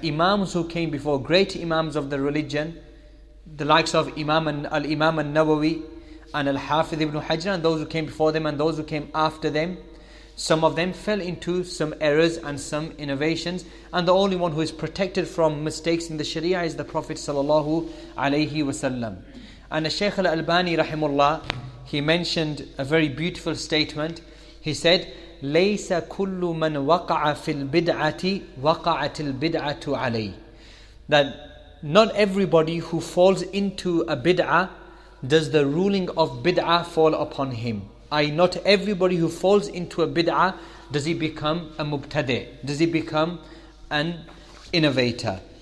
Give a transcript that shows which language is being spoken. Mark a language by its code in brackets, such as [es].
[en] Imams who came before, great Imams of the religion, the likes of Imam al-Nawawi and al-Hafidh ibn Hajr, and those who came before them and those who came after them, some of them fell into some errors and some innovations. And the only one who is protected from mistakes in the Sharia is the Prophet sallallahu alayhi wasallam. And Shaykh al-Albani rahimullah, he mentioned a very beautiful statement. He said, [ar] لَيْسَ كُلُّ مَنْ وَقَعَ فِي الْبِدْعَةِ وَقَعَتِ الْبِدْعَةُ عَلَيْهِ. [en] That not everybody who falls into a bid'ah, does the ruling of bid'ah fall upon him. Not everybody who falls into a bid'ah, does he become a mubtadi', does he become an innovator.